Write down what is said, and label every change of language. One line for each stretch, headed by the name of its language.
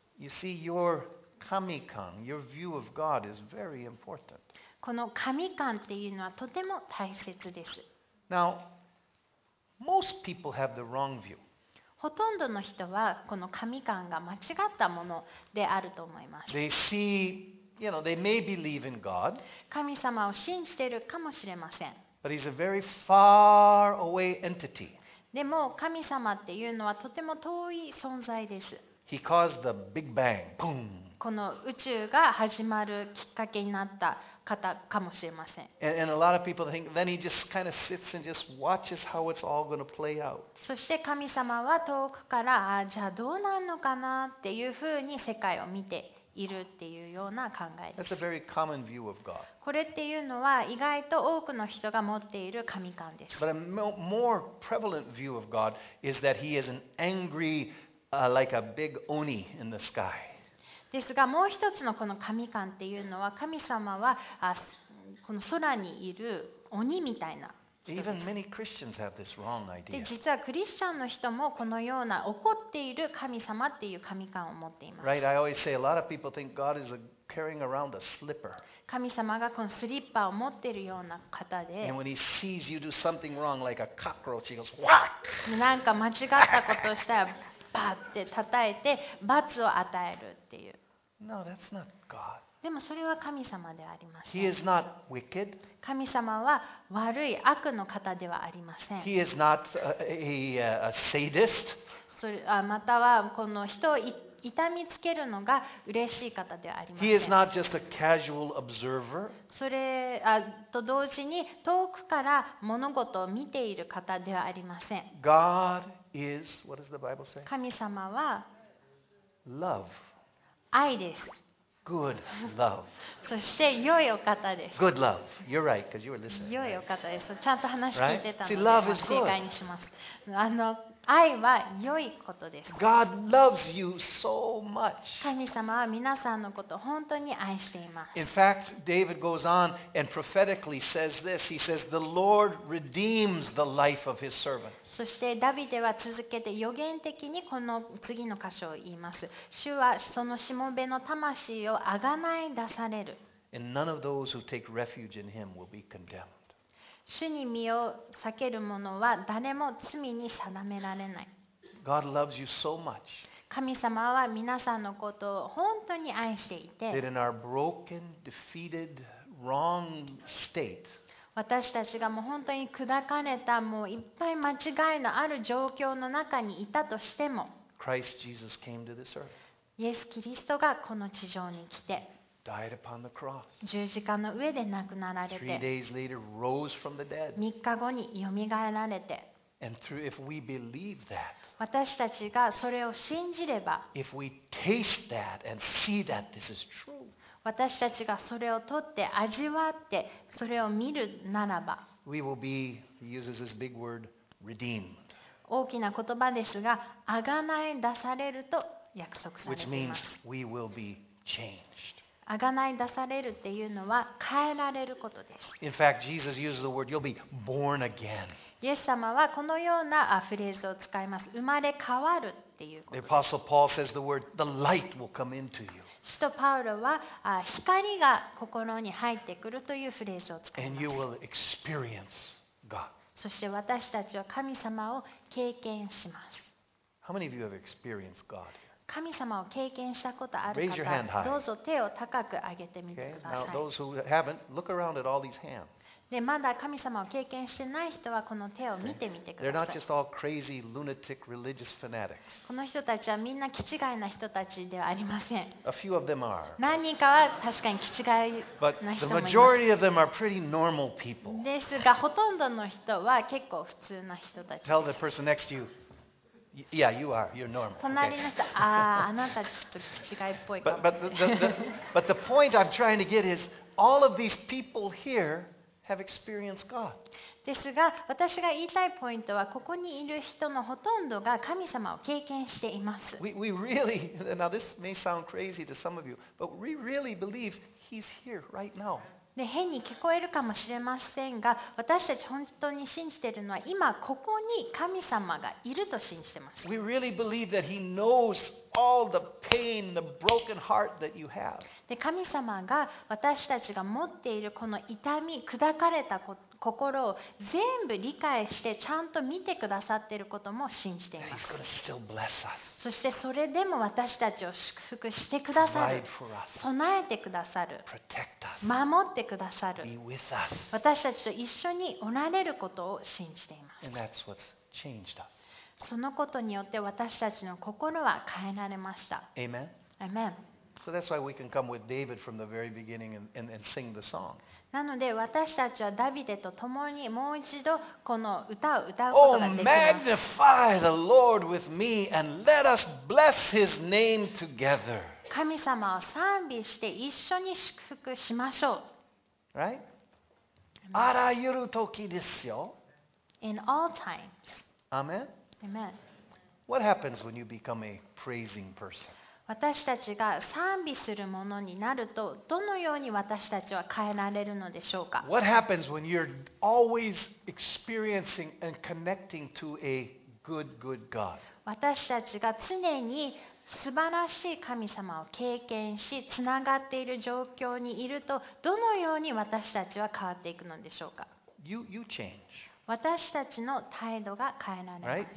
English: You see, your kamikan, your view of God is very important.
Japanese: この神観っていうのはとても大切です。
English: Now, most people have the wrong view.
Japanese: ほとんどの人はこの神観が間違ったものであると思います。
English: They see, you know, they may believe in God.
Japanese: 神様を信じているかもしれません。
English: But he's a very far away entity.
Japanese: でも神様っていうのはとても遠い存在です。
English: He caused the Big Bang. Boom.
Japanese: この宇宙が始まるきっかけになった方かもしれません。
English: And a lot of people think then he just kind of sits and just watches how it's all going to play out.
Japanese: そして神様は遠くからじゃあどうなるのかなっていうふうに世界を見ているっていうような考えです。
English: That's a very common view of God.
Japanese: これっていうのは意外と多くの人が持っている神観です。
English: But a more prevalent view of God is that he is an angry, like a big oni in the sky.
Japanese: ですがもう一つのこの神観っていうのは神様はこの空にいる鬼みたいな人です。で実はクリスチャンの人もこのような怒っている神様っていう神観を持っています。
English: Right, I always say a lot of people think God is carrying around a slipper.
Japanese: 神様がこのスリッパを持っているような方で、
English: and when he sees you do something wrong, like a cockroach, he goes, "Whack!"
Japanese: なんか間違ったことをしたら。バッて叩いて罰を与えるっていう。
English: No, that's not God.
Japanese: でもそれは神様ではありません。
English: He is not wicked.
Japanese: 神様は悪い悪の方ではありません。
English: He is not a sadist.
Japanese: それまたはこの人を痛みつけるのが嬉しい方ではありません。
English: He is not just a casual observer.
Japanese: それと同時に遠くから物事を見ている方ではありません。
English: God is, what does the Bible say?
Japanese: 神様は
English: love.
Japanese: 愛です。
English: Good love.
Japanese: そして良いお方です。
English: Good love. You're right, because you were listening.
Japanese: 良いお方です。ちゃんと話聞いてたので、
English: See, love is good.
Japanese: 正解にします。愛は良いことです。
English: God loves you so much.
Japanese: 神様は皆さんのことを本当に愛しています。
English: In fact, David goes on and prophetically says this. He says, "The Lord redeems the life of His servants."
Japanese: そしてダビデは続けて予言的にこの次の箇所を言います。主はそのしもべの魂を贖い出される。
English: And none of those who take refuge in Him will be condemned.
Japanese: 主に身を避ける者は誰も罪に定められない。
English: God loves you so much.
Japanese: 神様は皆さんのことを本当に愛していて、
English: that in our broken, defeated, wrong state,
Japanese: 私たちがもう本当に砕かれた、もういっぱい間違いのある状況の中にいたとしても、
English: Christ Jesus came to this earth.
Japanese: イエス・キリストがこの地上に来て、
English: died upon the cross.
Japanese: 十字架の上で亡くなられて、
English: three days later rose from the dead.
Japanese: 三日後によみがえられて、
English: and through if we believe that,
Japanese: 私たちがそれを信じれば、
English: if we taste that and see that this is true,
Japanese: 私たちがそれを取って味わってそれを見るならば、
English: we will be, he uses this big word, redeemed.
Japanese: 大きな言葉ですが、贖い出されると約束されています。
English: which means we will be changed.
Japanese: 贖い出されるっていうのは変えられることです。
English: In fact, Jesus uses the word, you'll be born again.
Japanese: イエス様はこのようなフレーズを使います。生まれ変わるっていうことです。
English: The Apostle Paul says the word, the light will come into you.
Japanese: 使徒パウロは光が心に入ってくるというフレーズを使います。
English: And you will experience God.
Japanese: そして私たちは神様を経験します。
English: How many of you have experienced God?
Japanese: 神様を経験したことある方、どうぞ手を高く上げてみてください。
English: Now, those who haven't, look around at all these hands.
Japanese: で、まだ神様を経験してない人はこの手を見てみてください。
English: They're not just all crazy, lunatic, religious fanatics.
Japanese: この人たちはみんな気違いな人たちではありません。
English: A few of them are.
Japanese: 何人かは確かに気違いな人もいます。
English: But the majority of them are pretty normal people.
Japanese: ですが、ほとんどの人は結構普通な人たちです。
English: Tell the person next to you. Yeah, you are. You're normal.
Japanese: 隣の人、あなたちょっと違いっぽいかもしれない。
English: But the point I'm trying to get is all of these people here have experienced God.
Japanese: ですが、私が言いたいポイントは、ここにいる人のほとんどが神様を経験しています。
English: We really, now this may sound crazy to some of you, but we really believe He's here right now.
Japanese: で変に聞こえるかもしれませんが、私たち本当に信じているのは今ここに神様がいると信じています。
English: We really believe that He knows all the pain, the broken heart that you have.
Japanese: で神様が私たちが持っているこの痛み、砕かれた心を全部理解してちゃんと見てくださっていることも信じています。
English: And He's gonna still bless us.
Japanese: そしてそれでも私たちを祝福してくださる。
English: Provide for us.
Japanese: 備えてくださる。
English: Protect us.
Japanese: 守ってくださる。
English: Be with us.
Japanese: 私たちと一緒におられることを信じています。
English: And that's what's changed us.
Japanese: そのことによって私たちの心は変えられました。
English: Amen. Amen. So that's why we can come with David from the very beginning and sing the song.
Japanese: なので私たちはダビデと共にもう一度この歌を歌うことができます。
English: Oh, magnify the Lord with me and let us bless His name together.
Japanese: 神様を賛美して一緒に祝福しましょう。 Right? あらゆる時ですよ。
English: In all times. Amen? Amen. What happens when you become a praising person?
Japanese: 私たちが賛美するものになるとどのように私たちは変えられるのでしょうか。
English: What happens when you're always experiencing and connecting to a good, good God?
Japanese: 私たちが常に素晴らしい神様を経験しつながっている状況にいるとどのように私たちは変わっていくのでしょうか。
English: You change.
Japanese: 私たちの態度が変えられます。